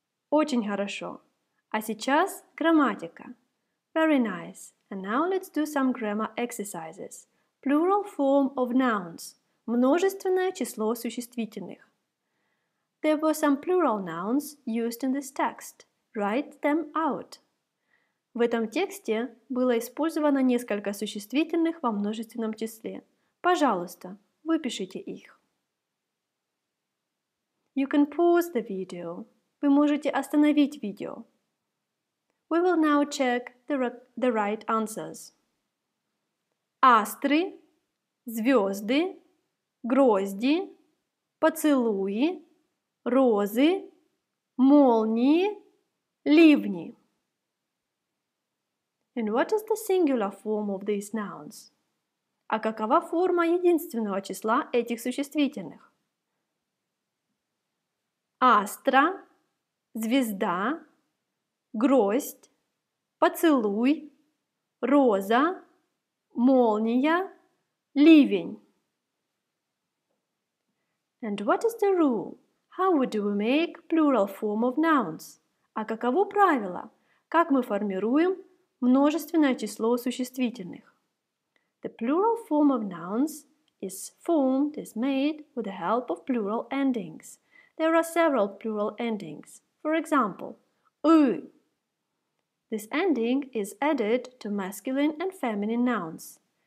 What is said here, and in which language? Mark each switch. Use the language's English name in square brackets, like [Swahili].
[Russian] Очень хорошо. А сейчас грамматика. [English] Very nice. And now let's do some grammar exercises. Plural form of nouns. [Russian] Множественное число существительных. [English] There were some plural nouns used in this text. Write them out. [Russian] В этом тексте было использовано несколько существительных во множественном числе. Пожалуйста, выпишите их. [English] You can pause the video. [Russian] Вы можете остановить видео. [English] We will now check the right answers. [Russian] Астры, звезды, Грозди, поцелуи, розы, молнии, ливни. [English] And what is the singular form of these nouns? [Russian] А какова форма единственного числа этих существительных? Астра, звезда, гроздь, поцелуй, роза, молния, ливень. [English] And what is the rule? How would we make plural form of nouns? [Russian] А каково правило? Как мы формируем множественное число существительных? [English] The plural form of nouns is made with the help of plural endings. There are several plural endings. For example, ы. This ending is added to masculine and feminine nouns.